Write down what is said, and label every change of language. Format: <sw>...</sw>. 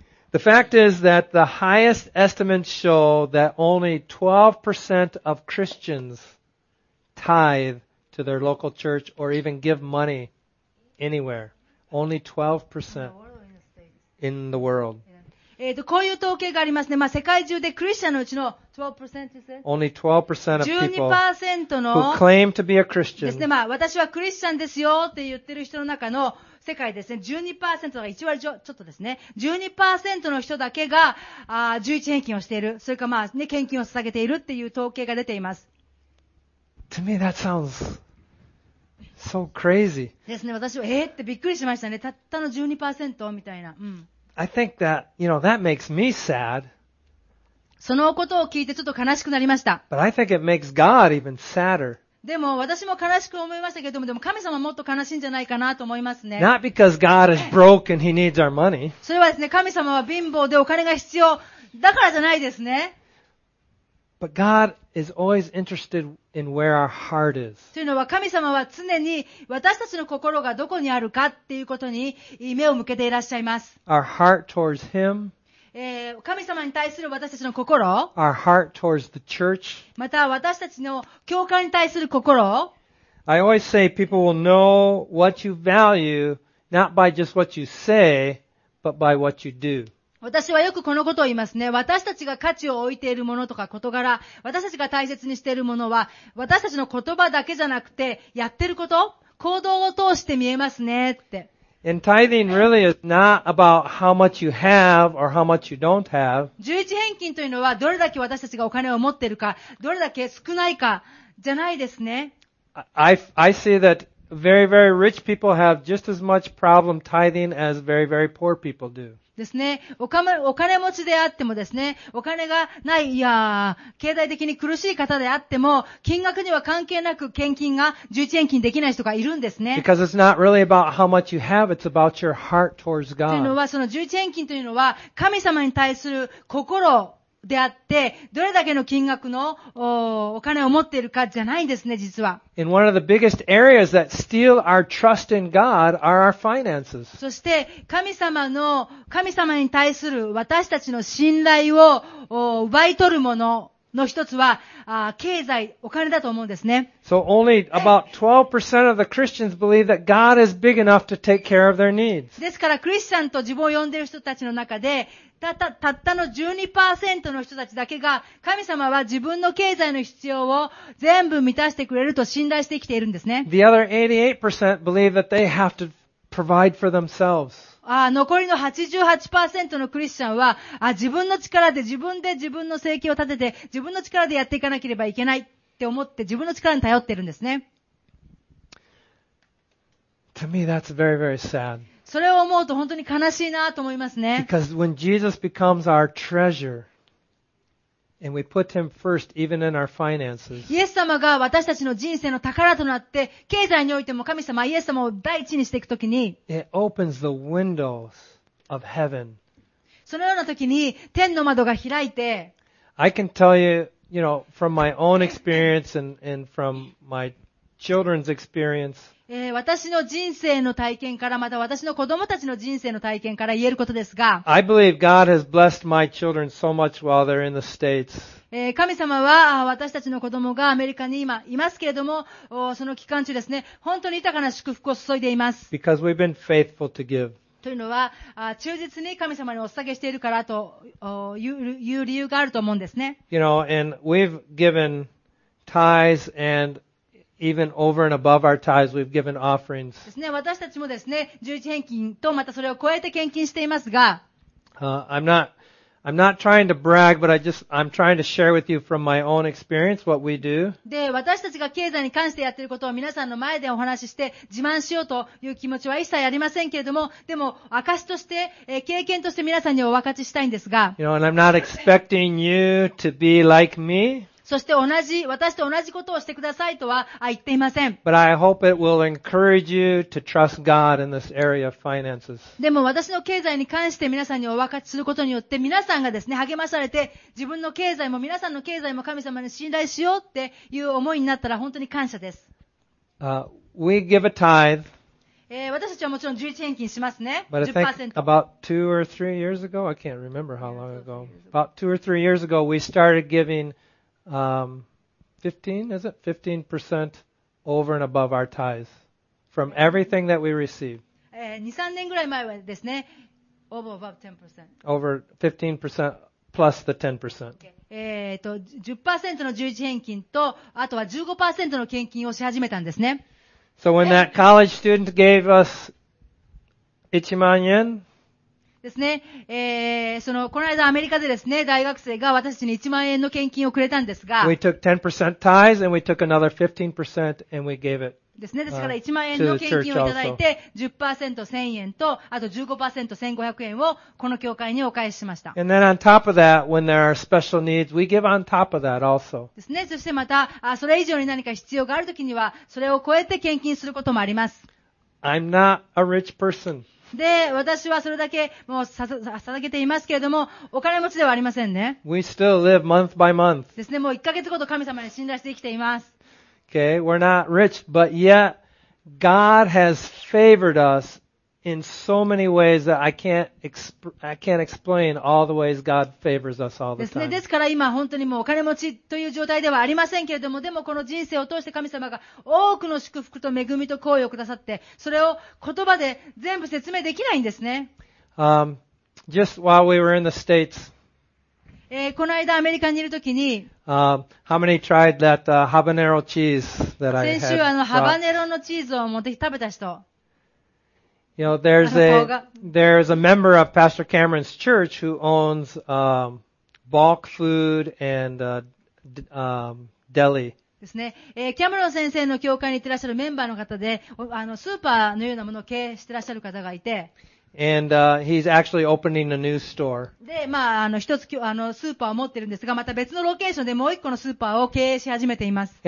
<en>The fact is that the highest estimates show that only 12% of Christians tithe to their local church or even give money anywhere. Only 12% in the world.</en> <ja>こういう統計がありますね。まあ、世界中でクリスチャンのうちの 12%,</ja> <en>Only 12% of people</en> <ja>の</ja> <en>who claim to be a Christian</en> <ja>ですね。まあ、私はクリスチャンですよって言ってる人の中の世界ですね。 12% が1割ちょっとですね。12% の人だけが十一献金をしている。それかまあ、ね、献金を捧げているっていう統計が出ています。</ja> <en>To me that sounds so crazy</en> <ja>ですね。私は、ってびっくりしましたね。たったの 12% みたいな。うん。</ja> <en>I think that, you know, that makes me sad.</en> <ja>そのことを聞いてちょっと悲しくなりました。</ja> <en>But I think it makes God even sadder.</en> <ja>でも私も悲しく思いましたけども、でも神様もっと悲しいんじゃないかなと思いますね。</ja> <en>Not because God is broke and he needs our money.</en> <ja>それはですね、神様は貧乏でお金が必要だからじゃないですね。</ja> <en>But God is always interested in where our heart is.</en> <ja>というのは神様は常に私たちの心がどこにあるかっていうことに目を向けていらっしゃいます。</ja> <en>Our heart towards Him.</en> <ja>神様に対する私たちの心。</ja> <en>Our heart towards the church.</en> <ja>また私たちの教会に対する心。</ja> <en>I always say people will know what you value not by just what you say, but by what you do.</en> <ja>私はよくこのことを言いますね。私たちが価値を置いているものとか事柄、私たちが大切にしているものは、私たちの言葉だけじゃなくて、やってること、行動を通して見えますねって。</ja> <en>And tithing really is not about how much you have or how much you don't have.</en> <ja>十一返金というのは、どれだけ私たちがお金を持っているか、どれだけ少ないか、じゃないですね。</ja> <en>I see that very, very rich people have just as much problem tithing as very, very poor people do.</en> <ja>ですね。お金持ちであってもですね、お金がない、いや、経済的に苦しい方であっても、金額には関係なく献金が、十一献金できない人がいるんですね。</ja> <en>Because it's not really about how much you have, it's about your heart towards God.</en> <ja>というのは、その十一献金というのは、神様に対する心であって、どれだけの金額の お金を持っているかじゃないんですね、実は。</ja> <en>In one of the biggest areas that steal our trust in God are our finances.</en> <ja>そして、神様に対する私たちの信頼を奪い取るものの一つは、経済、お金だと思うんですね。</ja> <en>So only about 12% of the Christians believe that God is big enough to take care of their needs.</en> <ja>ですから、クリスチャンと自分を呼んでいる人たちの中で、たったの 12% の人たちだけが神様は自分の経済の必要を全部満たしてくれると信頼して生きているんですね。</ja> <en>The other 88% believe that they have to provide for themselves.</en> <ja>残りの 88% のクリスチャンは、自分の力で自分で自分の生計を立てて、自分の力でやっていかなければいけないって思って、自分の力に頼っているんですね。</ja> <en>To me, that's very, very sad.</en> <ja>それを思うと本当に悲しいなと思いますね。</ja> <en>Because when Jesus becomes our treasure, and we put him first, even in our finances,</en> <ja>イエス様が私たちの人生の宝となって、経済においても神様、イエス様を第一にしていくときに、</ja> <en>it opens the windows of heaven.</en> <ja>そのようなときに、天の窓が開いて、</ja> <en>I can tell you, you know, from my own experience and from my children's experience,</en> <ja>私の人生の体験から、また私の子供たちの人生の体験から言えることですが、</ja> <en>I believe God has blessed my children so much while they're in the States.</en> <ja>神様は私たちの子供がアメリカに今いますけれども、その期間中ですね、本当に豊かな祝福を注いでいます。</ja> <en>Because we've been faithful to give.</en> <ja>というのは、忠実に神様にお捧げしているからという理由があると思うんですね。</ja> <en>You know, and we've given tithes and even over and above our tithes, we've given offerings.</en> <ja>ですね、私たちもですね、十一返金とまたそれを超えて献金していますが、</ja> <en>I'm not trying to brag, but I'm trying to share with you from my own experience what we do.</en> <ja>で、私たちが経済に関してやっていることを皆さんの前でお話しして自慢しようという気持ちは一切ありませんけれども、でも証として、経験として皆さんにお分かちしたいんですが。</ja> <en>You know, and I'm not expecting you to be like me.</en> <ja>そして私と同じことをしてくださいとは言っていません。</ja> <en>But I hope it will encourage you to trust God in this area of finances.</en> <ja>でも私の経済に関して皆さんにお分かちすることによって皆さんがですね、励まされて自分の経済も皆さんの経済も神様に信頼しようっていう思いになったら本当に感謝です。</ja> <en>We give a tithe.</en> <ja>私たちはもちろん十一返金しますね。</ja> <en>But I think about two or three years ago, I can't remember how long ago. About two or three years ago, we started giving15% over and above our tithes from everything that we receive.</en> <ja>2-3 年ぐらい前はですね、</ja> <en>over above 10%. Over 15% plus the 10%.</en> <ja>10% の十一返金と、あとは 15% の献金をし始めたんですね。</ja> <en>So when that college student gave us 1万円、</en> <ja>ですね。その、この間アメリカでですね、大学生が私たちに1万円の献金をくれたんですが、</ja> <en>we took 10% tithes and we took another 15% and we gave it.</en> <ja>ですね。ですから1万円の献金をいただいて、10%1000 円と、あと 15%1500 円をこの教会にお返ししました。</ja> <en>And then on top of that, when there are special needs, we give on top of that also.</en> <ja>ですね。そしてまた、それ以上に何か必要があるときには、それを超えて献金することもあります。</ja> <en>I'm not a rich person.</en> <ja>で、私はそれだけもう捧げていますけれども、お金持ちではありませんね。</ja> <en>We still live month by month.</en> <ja>ですね、もう1ヶ月ごと神様に信頼して生きています。</ja> <en>Okay, we're not rich, but yet God has favored us in so many ways that I can't explain all the ways God favors us all the time.</en> <ja>ですね、ですから今本当にもうお金持ちという状態ではありませんけれども、でもこの人生を通して神様が多くの祝福と恵みと好意をくださって、それを言葉で全部説明できないんですね。</ja> <en>Just while we were in the States,</en> <ja>この間アメリカにいるときに、</ja> <en>how many tried that habanero cheese that I had?</en> <ja>先週ハバネロのチーズを持ってきて食べた人。</ja> <en>You know, there's a member of Pastor Cameron's church who owns bulk food and deli.</en> <ja>ですね。キャメロン先生の教会に行ってらっしゃるメンバーの方で、スーパーのようなものを経営してらっしゃる方がいて。</ja> <en>And he's actually opening a new store.</en> <ja>で、まあ一つスーパーを持ってるんですが、また別のロケーションでもう一個のスーパーを経営し始めています。</ja>